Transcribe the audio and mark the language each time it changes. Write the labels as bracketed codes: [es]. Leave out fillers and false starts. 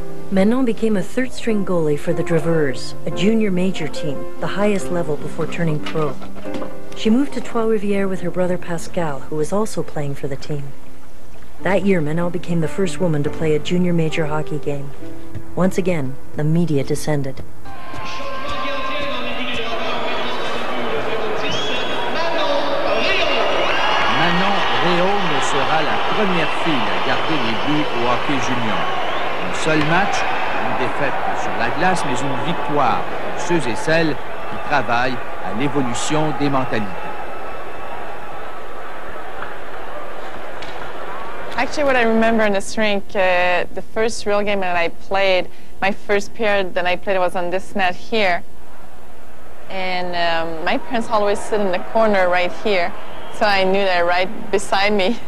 [en] Manon became a third-string goalie for the Draveurs, a junior major team, the highest level before turning pro. She moved to Trois-Rivières with her brother Pascal, who was also playing for the team. That year, Manon became the first woman to play a junior major hockey game. Once again, the media descended. [fr] Manon Rheaume sera la première fille à garder les buts au hockey junior. Un seul match, une défaite sur la glace, mais une victoire pour ceux et celles qui travaillent à l'évolution des mentalités. [en] Actually, what I remember in this rink, the first real game that I played, my first period that I played was on this net here. And my parents always sit in the corner right here, so I knew they're right beside me.